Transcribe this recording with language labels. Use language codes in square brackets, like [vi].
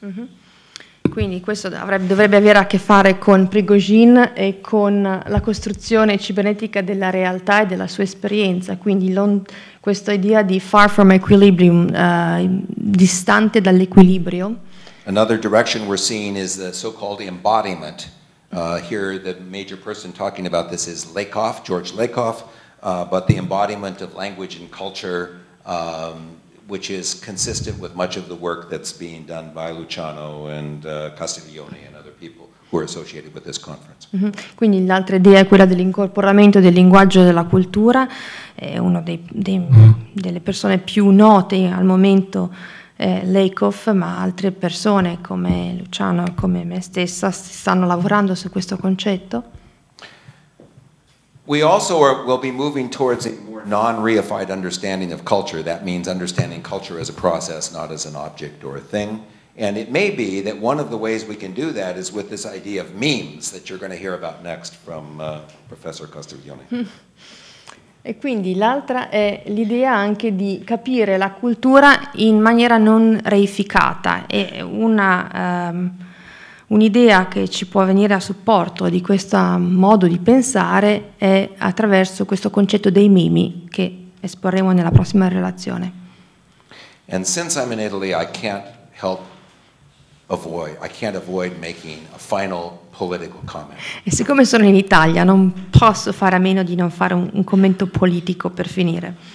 [it] Mm-hmm. Quindi questo dovrebbe avere a che fare con Prigogine e con la costruzione cibernetica della realtà e della sua esperienza, quindi questa idea di [en] far from equilibrium, [it] distante dall'equilibrio. [en] Another direction we're seeing is the so-called embodiment. Here the major person talking about this is Lakoff, George Lakoff, but the embodiment of language and culture, which is consistent with much of the work that's being done by Luciano and Castiglione and other people who are associated with this conference. Mm-hmm. [it] Quindi l'altra idea è quella dell'incorporamento del linguaggio della cultura, è uno delle persone più note al momento, Lakoff, ma altre persone come Luciano e come me stessa stanno lavorando su questo concetto. [en] We also will be moving towards a more non-reified understanding of culture. That means understanding culture as a process, not as an object or a thing. And it may be that one of the ways we can do that is with this idea of memes that you're going to hear about next from Professor Castiglione. [it] E quindi l'altra è l'idea anche di capire la cultura in maniera non reificata. È una un'idea che ci può venire a supporto di questo modo di pensare è attraverso questo concetto dei mimi che esporremo nella prossima relazione. [en] And since I'm in Italy, I can't avoid making a final political comment. [it] E siccome sono in Italia, non posso fare a meno di non fare un commento politico per finire.